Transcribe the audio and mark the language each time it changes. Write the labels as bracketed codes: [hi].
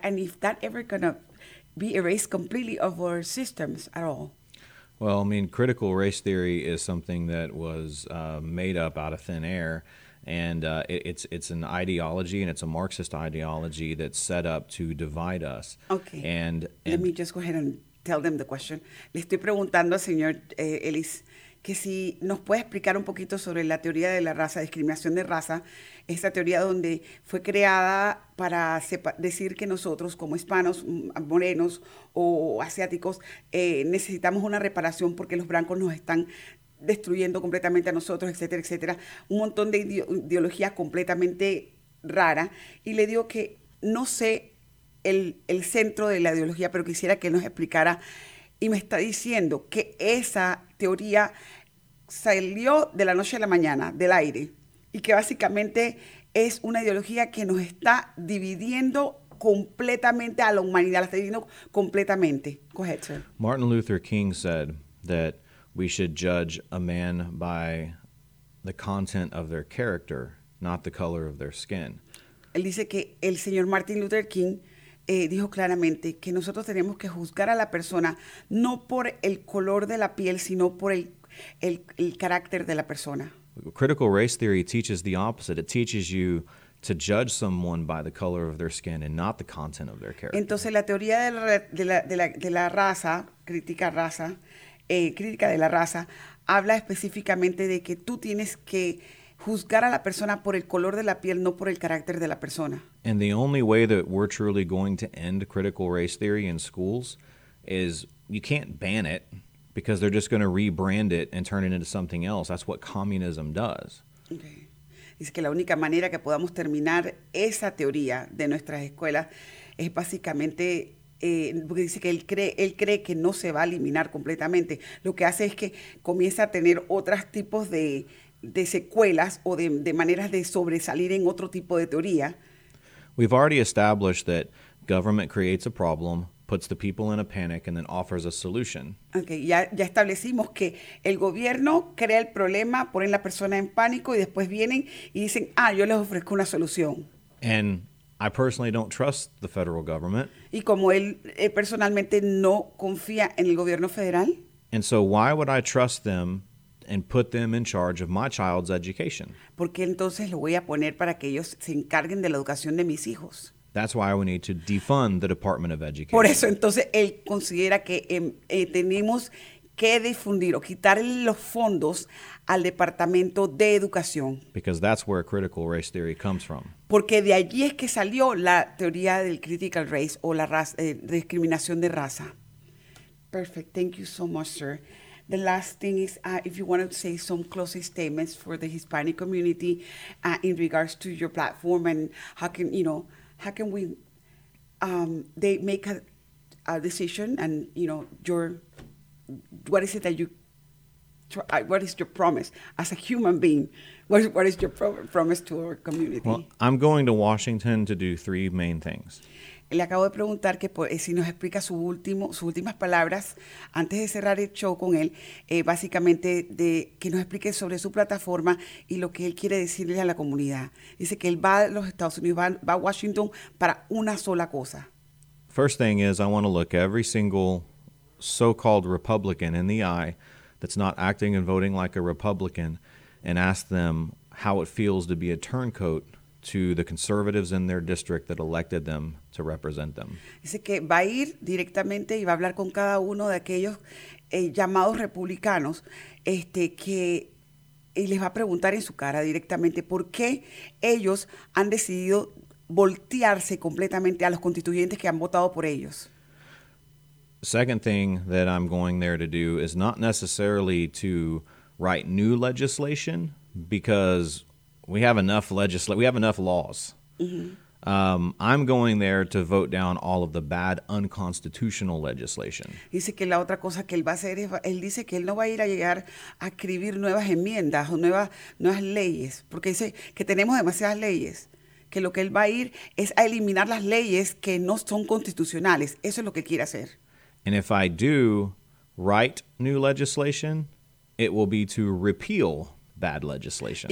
[en] And if that ever going to be erased completely of our systems at all? Well, I mean, critical race theory is something that was made up out of thin air. And it's an ideology, and it's a Marxist ideology that's set up to divide us. Okay. And let me just go ahead and tell them the question. [es] Le estoy preguntando, señor Ellis, que si nos puede explicar un poquito sobre la teoría de la raza, discriminación de raza, esta teoría donde fue creada para decir que nosotros como hispanos, morenos o asiáticos necesitamos una reparación porque los blancos nos están destruyendo completamente a nosotros, etcétera, etcétera. Un montón de ideología completamente rara. Y le digo que no sé el centro de la ideología, pero quisiera que nos explicara. Y me está diciendo que esa teoría salió de la noche a la mañana, del aire, y que básicamente es una ideología que nos está dividiendo completamente a la humanidad, la está dividiendo completamente. [en] Go ahead, sir. Martin Luther King said that we should judge a man by the content of their character, not the color of their skin. [es] Él dice que el señor Martin Luther King dijo claramente que nosotros tenemos que juzgar a la persona no por el color de la piel, sino por el carácter de la persona. [en] Critical race theory teaches the opposite. It teaches you to judge someone by the color of their skin and not the content of their character. [es] Entonces la teoría de la raza, crítica raza, crítica de la raza, habla específicamente de que tú tienes que juzgar a la persona por el color de la piel, no por el carácter de la persona. [en] And the only way that we're truly going to end critical race theory in schools is you can't ban it because they're just going to rebrand it and turn it into something else. That's what communism does. Okay. [es] Dice que la única manera que podamos terminar esa teoría de nuestras escuelas es básicamente porque dice que él cree que no se va a eliminar completamente. Lo que hace es que comienza a tener otros tipos de secuelas o de maneras de sobresalir en otro tipo de teoría. [en] We've already established that government creates a problem, puts the people in a panic, and then offers a solution. [es] Okay, ya establecimos que el gobierno crea el problema, ponen la persona en pánico, y después vienen y dicen, yo les ofrezco una solución. [en] And I personally don't trust the federal government. [es] Y como él personalmente no confía en el gobierno federal. [en] And so why would I trust them and put them in charge of my child's education? [es] Porque entonces lo voy a poner para que ellos se encarguen de la educación de mis hijos. [en] That's why we need to defund the Department of Education. [es] Por eso entonces él considera que tenemos que difundir o quitar los fondos al Departamento de Educación. [en] Because that's where critical race theory comes from. [es] Porque de allí es que salió la teoría del critical race o la discriminación de raza. [en] Perfect. Thank you so much, sir. The last thing is, if you want to say some closing statements for the Hispanic community in regards to your platform and how can they make a decision and, you know, your, what is it that you, what is your promise as a human being? What is your promise to our community? Well, I'm going to Washington to do three main things. [es] Le acabo de preguntar que si nos explica sus últimas palabras antes de cerrar el show con él, básicamente de que nos explique sobre su plataforma y lo que él quiere decirle a la comunidad. Dice que él va a los Estados Unidos, va a Washington para una sola cosa. [en] First thing is I want to look every single so-called Republican in the eye that's not acting and voting like a Republican and ask them how it feels to be a turncoat to the conservatives in their district that elected them to represent them. [es] Dice que va a ir directamente y va a hablar con cada uno de aquellos llamados republicanos y les va a preguntar en su cara directamente por qué ellos han decidido voltearse completamente a los constituyentes que han votado por ellos. [en] Second thing that I'm going there to do is not necessarily to write new legislation because we have enough we have enough laws. Mm-hmm. I'm going there to vote down all of the bad, unconstitutional legislation. [es] Dice que la otra cosa que él va a hacer es, él dice que él no va a ir a llegar a escribir nuevas enmiendas o nuevas leyes, porque dice que tenemos demasiadas leyes, que lo que él va a ir es a eliminar las leyes que no son constitucionales. Eso es lo que quiere hacer. [en] And if I do write new legislation, it will be to repeal bad legislation.